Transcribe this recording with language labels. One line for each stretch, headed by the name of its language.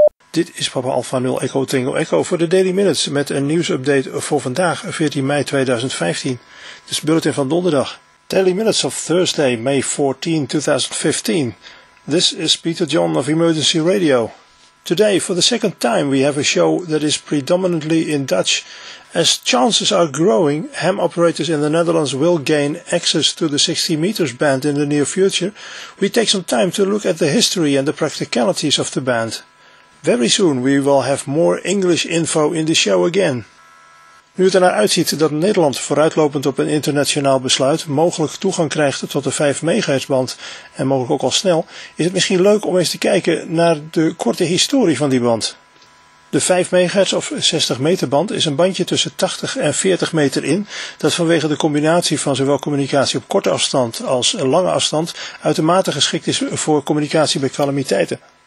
Dutch: Dit is Papa Alpha 0 Echo Tango Echo voor de Daily Minutes met een nieuwsupdate voor vandaag, 14 mei 2015. Het is bulletin van donderdag.
English: Daily Minutes of Thursday, May 14, 2015. This is Peter John of Emergency Radio. Today, for the second time, we have a show that is predominantly in Dutch. As chances are growing, ham operators in the Netherlands will gain access to the 60 meters band in the near future, we take some time to look at the history and the practicalities of the band. Very soon we will have more English info in the show again.
Dutch: Nu het ernaar uitziet dat Nederland vooruitlopend op een internationaal besluit mogelijk toegang krijgt tot de 5 MHz band en mogelijk ook al snel, is het misschien leuk om eens te kijken naar de korte historie van die band. De 5 MHz of 60 meter band is een bandje tussen 80 en 40 meter in dat vanwege de combinatie van zowel communicatie op korte afstand als lange afstand uitermate geschikt is voor communicatie bij calamiteiten.